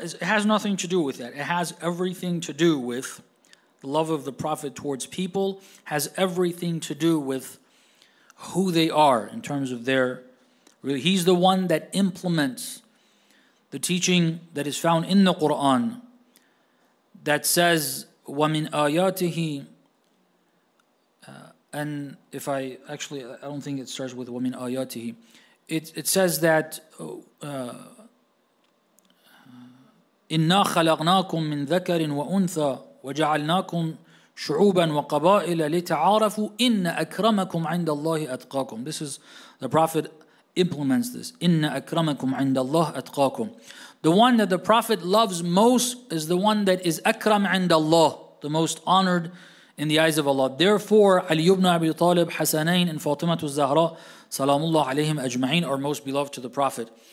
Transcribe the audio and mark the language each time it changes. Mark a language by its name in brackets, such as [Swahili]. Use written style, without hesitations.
[English] It has nothing to do with that. It has everything to do with the love of the Prophet towards people, has everything to do with who they are in terms of their... He's the one that implements the teaching that is found in the Qur'an that says, [Arabic] وَمِنْ آيَاتِهِ [English] And if I... Actually, I don't think it starts with [Arabic] وَمِنْ آيَاتِهِ. [English] It says that [Arabic] إِنَّا خَلَقْنَاكُمْ مِنْ ذَكَرٍ وَأُنْثَى وَجَعَلْنَاكُمْ شُعُوبًا وَقَبَائِلَ لِتَعَارَفُوا إِنَّ أَكْرَمَكُمْ عِنْدَ اللَّهِ أَتْقَاكُمْ. [English] This is the Prophet implements this. [Arabic] إِنَّ أَكْرَمَكُمْ عِنْدَ اللَّهِ أَتْقَاكُمْ. [English] The one that the Prophet loves most is the one that is [Arabic] أَكْرَمْ عِنْدَ اللَّهِ, [English] the most honored in the eyes of Allah. Therefore, Ali ibn Abi Talib, Hasanain, and Fatima al-Zahra, Salamullah alayhim ajma'in, are most beloved to the Prophet.